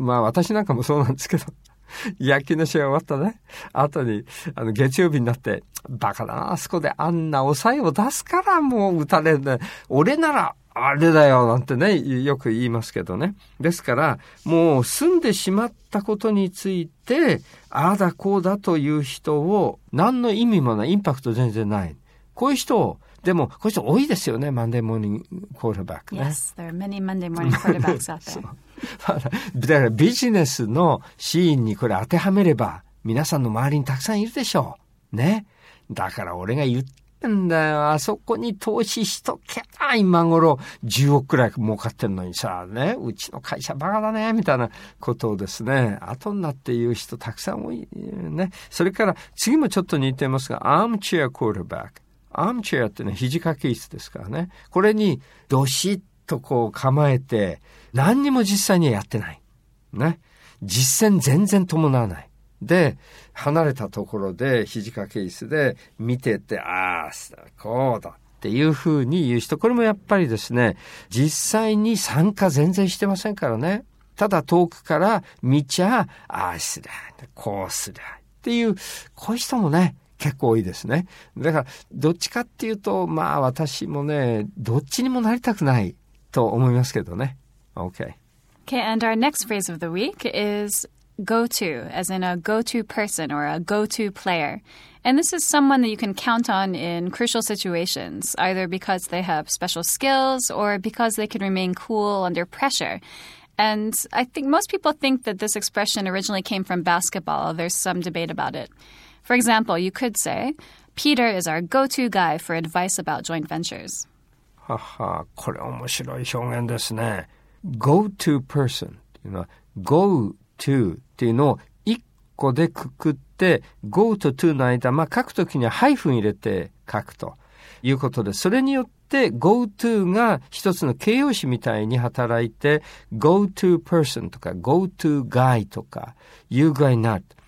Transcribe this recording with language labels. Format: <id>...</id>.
<ja>まあ私なんかもそうなんですけど、野球の試合終わったね後に月曜日になって、バカだな、あそこであんな抑えを出すからもう打たれるんだ、俺ならあれだよなんてね、よく言いますけどね。ですからもう済んでしまったことについて、ああだこうだという人を、何の意味もない、インパクト全然ない、こういう人を、でもこういう人多いですよね、マンデーモーニングクォーターバックね。</ja> <en>Yes, there are many Monday morning quarterbacks out there.</en> <ja>だからビジネスのシーンにこれ当てはめれば、皆さんの周りにたくさんいるでしょうね。だから俺が言ってんだよ、あそこに投資しとけば今頃10億くらい儲かってんのにさ、ね、うちの会社バカだねみたいなことをですね、後になって言う人たくさん多いね。それから次もちょっと似てますが、アームチェアクォーターバック、アームチェアってね、肘掛け椅子ですからね、これにどしっとこう構えて何にも実際にはやってないね、実践全然伴わない。で離れたところで肘掛け椅子で見てて、ああこうだっていうふうに言う人、これもやっぱりですね、実際に参加全然してませんからね、ただ遠くから見ちゃああすりゃこうすりゃっていう、こういう人もね結構多いですね。だからどっちかっていうと、まあ私もね、どっちにもなりたくないと思いますけどね。</ja> <en>Okay, and our next phrase of the week is go-to, as in a go-to person or a go-to player. And this is someone that you can count on in crucial situations, either because they have special skills or because they can remain cool under pressure. And I think most people think that this expression originally came from basketball. There's some debate about it. For example, you could say, Peter is our go-to guy for advice about joint ventures.</en> <ja>Haha, これ面白い表現ですね。</ja> <en>Go-to person, you know, go to</en> <ja>っていうのを1個でくくって、go to to の間、まあ書くときにはハイフン入れて書くということで、それによってで、go to が一つの形容詞みたいに働いて、go to person とか go to guy とか you guy not。</ja>